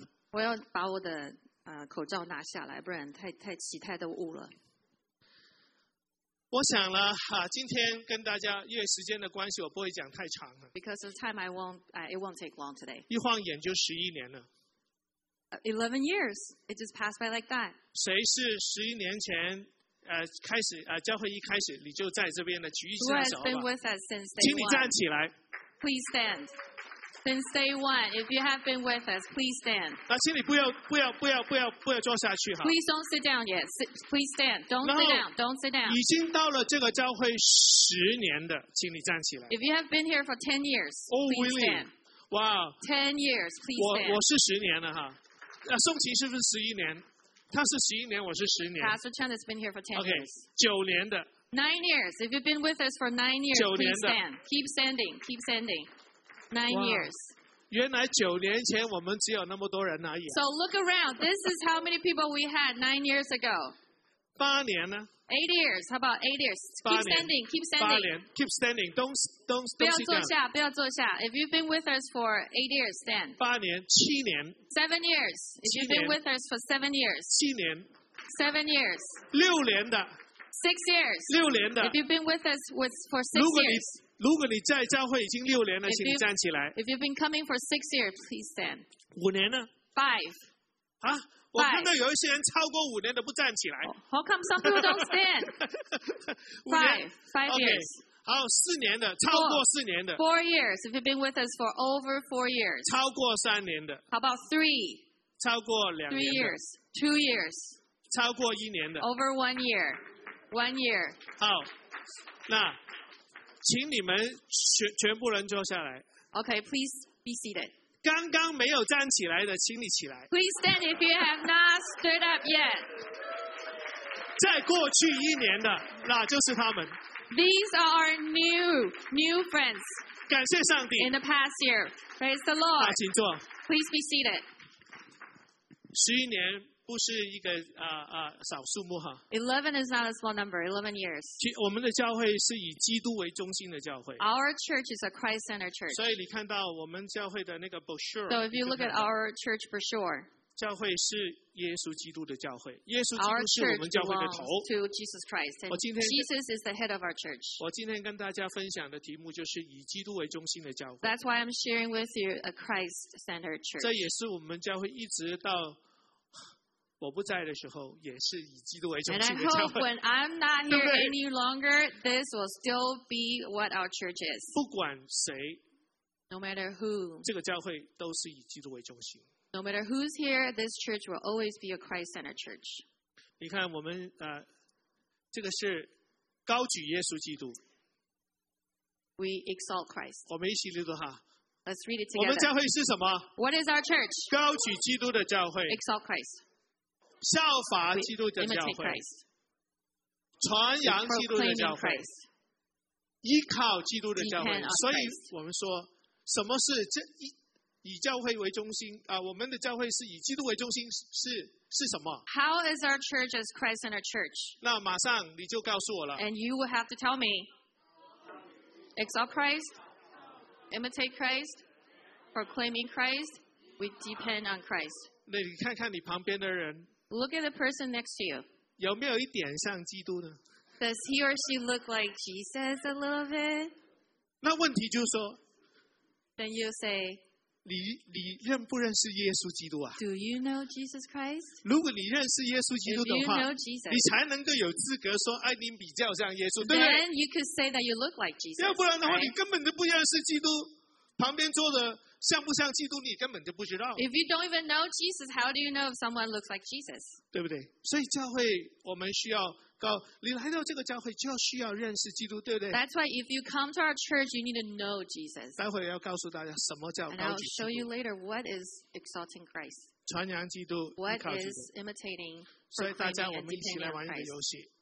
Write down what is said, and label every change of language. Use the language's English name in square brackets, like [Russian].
[Chinese] 我要把我的口罩拿下来，不然太起太多雾了。我想了哈，今天跟大家因为时间的关系，我不会讲太长了。 [English] Because of time, it won't take long today. [Chinese] 一晃眼就十一年了。 [English] 11 years, it just passed by like that. [Chinese] 谁是十一年前？开始教会一开始你就在这边的举一下手吧。请你站起来。 [English] Please stand. Since day one, if you have been with us, please stand. [Chinese] 那请你不要坐下去哈。 [English] Please don't sit down yet. Please stand. Don't sit down. Don't sit down. [Chinese] 已经到了这个教会十年的，请你站起来。 [English] If you have been here for 10 years, please stand. Wow. 10 years, please stand. [Chinese] 我是十年了哈。那宋琴是不是十一年？他是十一年，我是十年。 [English] Pastor Chen has been here for 10 years. [Chinese] Okay, 九年的。 [English] 9 years. If you've been with us for 9 years, please stand. Keep standing. Keep standing. 9 years. [Chinese] 原来九年前我们只有那么多人而已。 [English] So look around. This is how many people we had 9 years ago. [Chinese] 八年呢？ [English] 8 years. How about 8 years? Keep standing. Keep standing. [Chinese] 八年。 [English] Keep standing. Don't sit down. [Chinese] 不要坐下，不要坐下。 [English] If you've been with us for 8 years, stand. [Chinese] 八年，七年。 [English] 7 years. If you've been with us for 7 years. [Chinese] 七年。 [English] 7 years. [Chinese] 六年的。 [English] 6 years. [Chinese] 六年的。 [English] If you've been with us for 6 years. [Chinese] 如果你在教会已经六年了，请你站起来。 [English] If you've been coming for 6 years, please stand. [Chinese] 五年呢？ [English] 5. [Chinese] 啊？我看到有一些人超过五年都不站起来。 [English] How come some people don't stand? 5 years. [Chinese] Okay. 好，四年的，超过四年的。 [English] 4 years. If you've been with us for over 4 years. [Chinese] 超过三年的。 [English] How about 3? [Chinese] 超过两年的。 [English] 3 years. 2 years. [Chinese] 超过一年的。 [English] Over 1 year. 1 year. [Chinese] 好，那请你们全部人坐下来。 [English] Okay, please be seated. [Chinese] 刚刚没有站起来的，请你起来。 [English] Please stand if you have not stood up yet. [Chinese] 在过去一年的，那就是他们。 [English] These are our new friends. [Chinese] 感谢上帝。 [English] In the past year, praise the Lord. [Chinese] 啊，请坐。 [English] Please be seated. [Chinese] 十一年不是一个少数目哈。 [English] 11 is not a small number. 11 years. [Chinese] 我们的教会是以基督为中心的教会。 [English] Our church is a Christ-centered church. [Chinese] 所以你看到我们教会的那个 brochure. [English] So if you look at our church brochure. [Chinese] 教会是耶稣基督的教会。耶稣基督是我们教会的头。 [English] To Jesus Christ. Jesus is the head of our church. [Chinese] 我今天跟大家分享的题目就是以基督为中心的教会。 [English] That's why I'm sharing with you a Christ-centered church. [Chinese] 这也是我们教会一直到我不在的时候，也是以基督为中心的教会。 [English] And I hope when I'm not here any longer, this will still be what our church is. [Chinese] 不管谁 [English] ，No matter who， [Chinese] 这个教会都是以基督为中心。 [English] No matter who's here, this church will always be a Christ-centered church. [Chinese] 你看，我们这个是高举耶稣基督。 [English] We exalt Christ. [Chinese] 我们一起读读哈。 [English] Let's read it together. [Chinese] 我们教会是什么 [English] ？What is our church？ [Chinese] 高举基督的教会。 [English] Exalt Christ. [Chinese] 效法基督的教会，传扬基督的教会，依靠基督的教会。所以我们说，什么是这以教会为中心啊？我们的教会是以基督为中心，是什么 [English] ？How is our church as Christ-centered church？ [Chinese] 那马上你就告诉我了。 [English] And you will have to tell me. Exalt Christ, imitate Christ, proclaiming Christ. We depend on Christ. [Chinese] 那你看看你旁边的人。 [English] Look at the person next to you. [Chinese] 有没有一点像基督呢？ [English] Does he or she look like Jesus a little bit? [Chinese] 那问题就是说， [English] Then you say, [Chinese] 你认不认识耶稣基督啊？ [English] Do you know Jesus Christ? [Chinese] 如果你认识耶稣基督的话， [English] If you know Jesus, [Chinese] 你才能够有资格说，哎，你比较像耶稣，对不对？ [English] Then you could say that you look like Jesus. [Chinese] 要不然的话， [English] right? [Chinese] 你根本就不认识基督。旁边坐的像不像基督，你根本就不知道。 [English] If you don't even know Jesus, how do you know if someone looks like Jesus? [Chinese] 对不对？所以教会我们需要告，你来到这个教会就需要认识基督，对不对 [English] ？That's why if you come to our church, you need to know Jesus. [Chinese] 待会要告诉大家什么叫高举基督。 [English] And I'll show you later what is exalting Christ. [Chinese] 传扬基督。 [English] What is imitating? [Chinese] 所以大家我们一起来玩一个游戏。